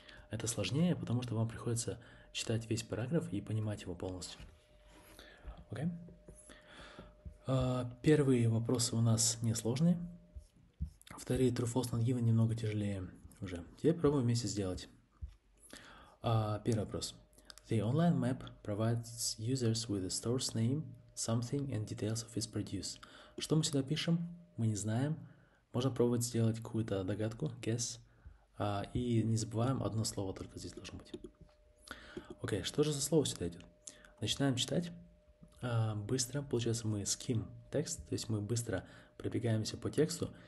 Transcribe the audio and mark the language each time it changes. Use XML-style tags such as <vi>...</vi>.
<ru>Это сложнее, потому что вам приходится читать весь параграф и понимать его полностью. Окей? Первые вопросы у нас несложные. Вторые true-false not given немного тяжелее уже. Теперь пробуем вместе сделать. Первый вопрос.</ru> <en>The online map provides users with a store's name, something and details of its produce.</en> <ru>Что мы сюда пишем? Мы не знаем. Можно пробовать сделать какую-то догадку, guess. И не забываем, одно слово только здесь должно быть. Окей, что же за слово сюда идет? Начинаем читать. Быстро, получается, мы skim текст, то есть мы быстро пробегаемся по тексту.</ru>